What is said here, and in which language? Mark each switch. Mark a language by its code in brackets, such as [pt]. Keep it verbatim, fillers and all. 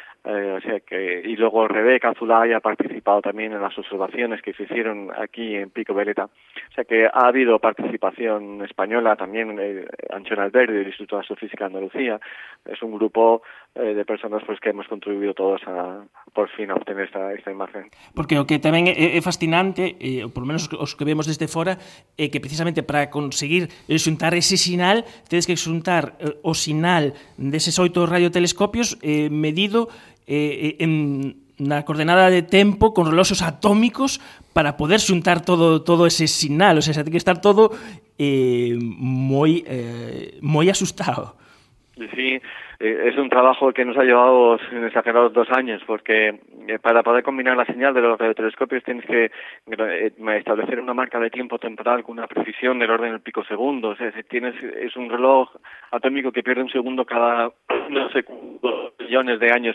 [es] Eh, o sea que, y luego Rebeca Zulay ha participado también en las observaciones que se hicieron aquí en Pico Veleta. O sea que ha habido participación española también, eh, Anchón Alberdi del Instituto de Astrofísica de Andalucía. Es un grupo eh, de personas pues que hemos contribuido todos a por fin a obtener esta, esta imagen. [gl] Porque o que tamén é fascinante, eh, [es] por lo menos [gl] os que vemos desde fora, é eh, que precisamente para conseguir xuntar ese sinal, tedes que xuntar eh, o sinal deses oito radiotelescopios eh, medido Eh, en na coordenada de tempo con reloxos atómicos para poder xuntar todo todo ese sinal, o sea, ten que estar todo eh, moi eh, moi asustado. [es] Sí, es un trabajo que nos ha llevado en exagerados dos años, porque para poder combinar la señal de los radiotelescopios tienes que establecer una marca de tiempo temporal con una precisión del orden del pico segundo. O sea, si tienes, es un reloj atómico que pierde un segundo cada no sé cuántos millones de años.